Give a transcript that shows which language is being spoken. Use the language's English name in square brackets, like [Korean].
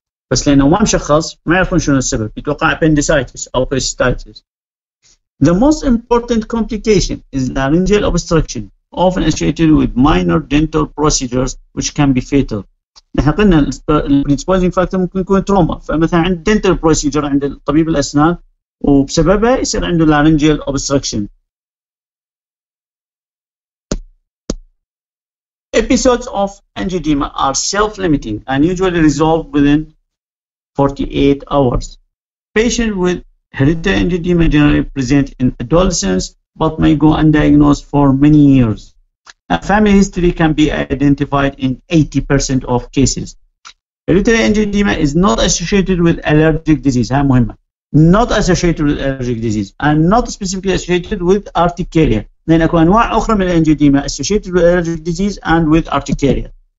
[Arabic] بس لأنه ما مشخص ما يعرفون شنو السبب, يتوقع appendicitis أو cystitis. [English] The most important complication is laryngeal obstruction, often associated with minor dental procedures which can be fatal. [Arabic] نحن قلنا [English] predisposing factor [Arabic] ممكن يكون trauma, فمثلا عند [English] dental procedure [Arabic] عند طبيب الأسنان وبسببه يصير عنده [English] laryngeal obstruction. Episodes of angioedema are self-limiting and usually resolved within 48 hours. Patients with hereditary angioedema generally present in adolescence but may go undiagnosed for many years. A family history can be identified in 80% of cases. Hereditary angioedema is not associated with allergic disease. [Arabic] هاي مهمة. [English] Not associated with allergic disease and not specifically associated with urticaria. [Arabic] لأن أكو أنواع أخرى من الأنجيوديما [English] associated with allergic disease and with urticaria.